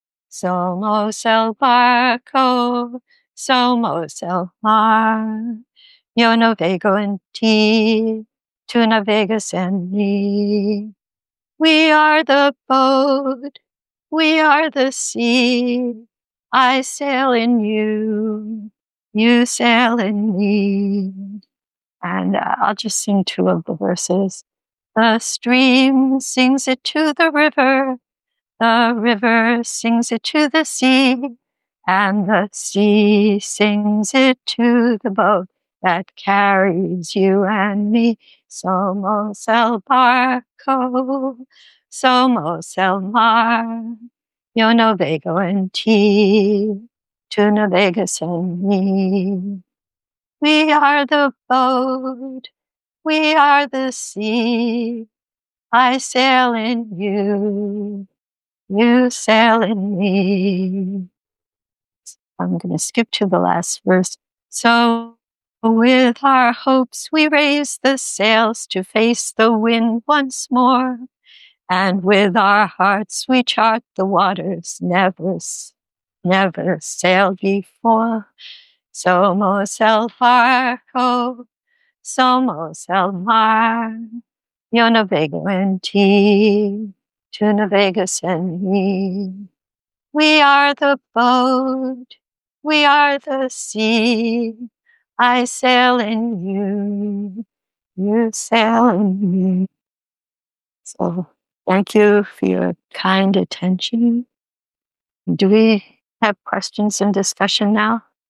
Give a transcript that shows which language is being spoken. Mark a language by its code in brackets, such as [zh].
[es] Somos el barco, somos el mar. Yo navego en ti, tú navegas en mí. [en] We are the boat, we are the sea. I sail in you, you sail in me. And I'll just sing two of the verses. The stream sings it to the river. The river sings it to the sea. And the sea sings it to the boat that carries you and me. [es] Somos el barco, somos el mar. Yo navego en ti, tú navegas en mí. [en] We are the boat, we are the sea. I sail in you, you sail in me. I'm going to skip to the last verse. So with our hopes we raise the sails to face the wind once more. And with our hearts we chart the waters never, never sailed before. [es] Somos el barco, somos el mar. Yo navego en ti, tú navegas en mí. [en] We are the boat, we are the sea. I sail in you, you sail in me. So. Thank you for your kind attention. Do we have questions and discussion now?